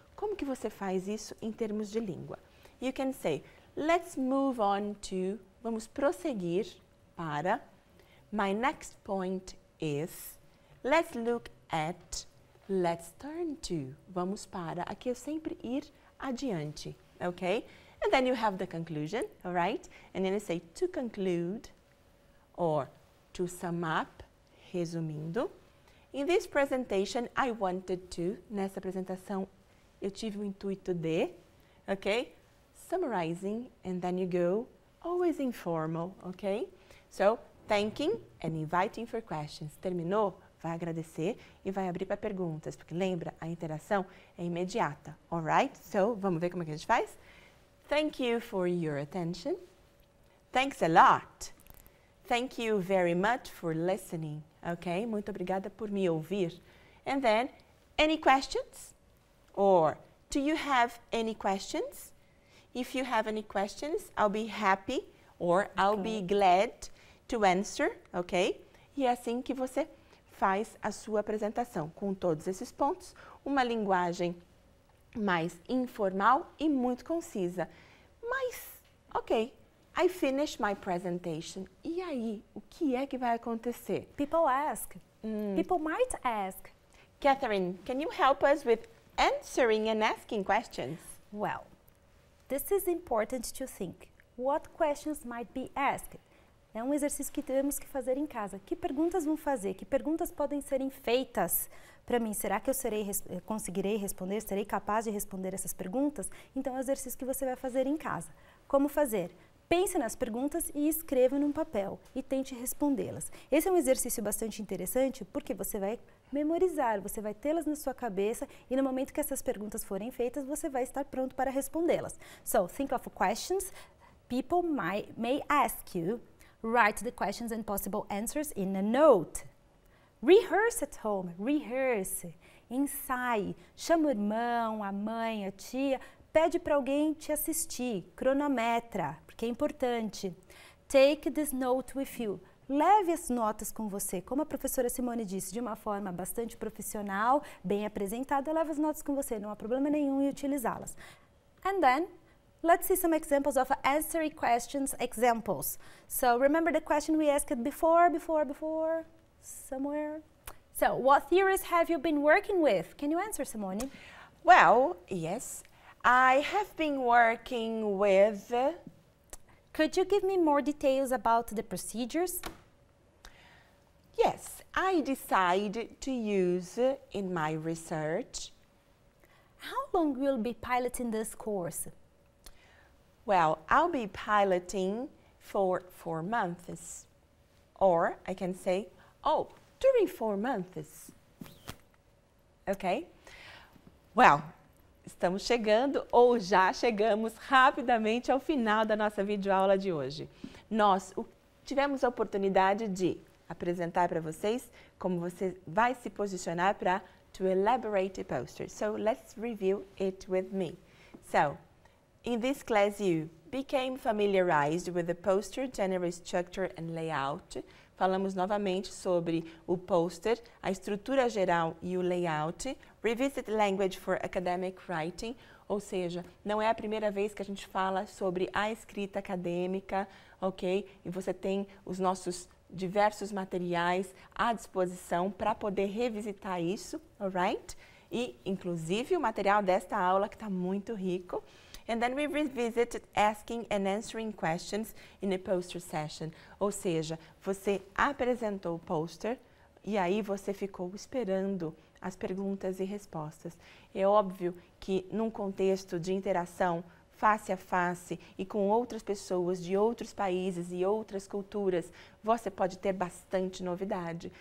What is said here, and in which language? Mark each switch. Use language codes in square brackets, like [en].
[pt] Como que você faz isso em termos de língua? [en] You can say, let's move on to [pt] vamos prosseguir para [en] my next point is let's look at, let's turn to. [pt] Vamos para, aqui é sempre ir adiante, okay? [en] And then you have the conclusion, all right? And then you say to conclude or to sum up, [pt] resumindo. [en] In this presentation, I wanted to, [pt] nessa apresentação, eu tive o intuito de, okay? [en] Summarizing, and then you go, always informal, okay? So, thanking and inviting for questions. [pt] Terminou? Vai agradecer e vai abrir para perguntas, porque lembra, a interação é imediata, all right? So, vamos ver como é que a gente faz? [en] Thank you for your attention. Thanks a lot. Thank you very much for listening. [pt] Okay, muito obrigada por me ouvir. [en] And then, any questions? Or, do you have any questions? If you have any questions, I'll be happy or okay. I'll be glad to answer, okay? [pt] E é assim que você faz a sua apresentação, com todos esses pontos, uma linguagem mais informal e muito concisa. [en] Mas, ok, I finish my presentation. [pt] E aí, o que é que vai acontecer? [en] People ask. People might ask. Katherine, can you help us with answering and asking questions? Well, this is important to think. What questions might be asked? [pt] É um exercício que temos que fazer em casa. Que perguntas vão fazer? Que perguntas podem serem feitas para mim? Será que eu conseguirei responder? Serei capaz de responder essas perguntas? Então, é um exercício que você vai fazer em casa. Como fazer? Pense nas perguntas e escreva num papel e tente respondê-las. Esse é um exercício bastante interessante porque você vai memorizar, você vai tê-las na sua cabeça e no momento que essas perguntas forem feitas, você vai estar pronto para respondê-las. [en] So, think of questions people may ask you. Write the questions and possible answers in a note. Rehearse at home. Rehearse. [pt] Ensaie. Chama o irmão, a mãe, a tia. Pede para alguém te assistir. Cronometra, porque é importante. [en] Take this note with you. [pt] Leve as notas com você. Como a professora Simone disse, de uma forma bastante profissional, bem apresentada, leve as notas com você. Não há problema nenhum em utilizá-las. [en] And then, let's see some examples of answering questions examples. So, remember the question we asked before, somewhere? So, what theories have you been working with? Can you answer, Simone? Well, yes. I have been working with... Could you give me more details about the procedures? Yes, I decided to use in my research. How long will you be piloting this course? Well, I'll be piloting for 4 months. Or I can say, oh, during 4 months. Okay? [pt] Well, estamos chegando ou já chegamos rapidamente ao final da nossa videoaula de hoje. Nós tivemos a oportunidade de apresentar para vocês como você vai se posicionar para [en] to elaborate a poster. So, let's review it with me. So, in this class, you became familiarized with the poster, general structure and layout. [pt] Falamos novamente sobre o poster, a estrutura geral e o layout. [en] Revisit language for academic writing, [pt] ou seja, não é a primeira vez que a gente fala sobre a escrita acadêmica, ok? E você tem os nossos diversos materiais à disposição para poder revisitar isso, alright? E, inclusive, o material desta aula que está muito rico. [en] And then we revisited asking and answering questions in a poster session. [pt] Ou seja, você apresentou o poster e aí você ficou esperando as perguntas e respostas. É óbvio que num contexto de interação face a face e com outras pessoas de outros países e outras culturas, você pode ter bastante novidade.